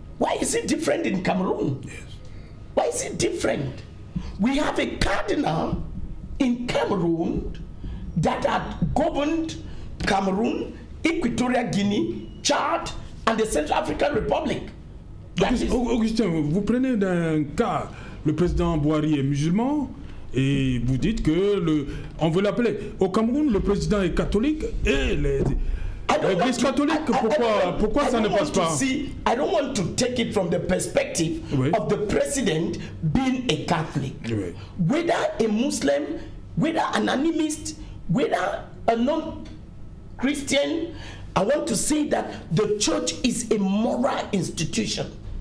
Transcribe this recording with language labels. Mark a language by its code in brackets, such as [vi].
[en] Why is it different in Cameroon? Why is it different? We have a cardinal in Cameroon that had governed Cameroon, Equatorial Guinea, Chad, and the Central African Republic. [fr] Augustin, vous prenez un cas, le président Buhari est musulman, et vous dites que on veut l'appeler. Au Cameroun, le président est catholique et les. L'Église catholique, pourquoi ça ne passe pas? [en] I don't want to take it from the perspective of the president being a Catholic. Whether a Muslim, whether an animist, whether a non-Christian, I want to say that the church is a moral institution.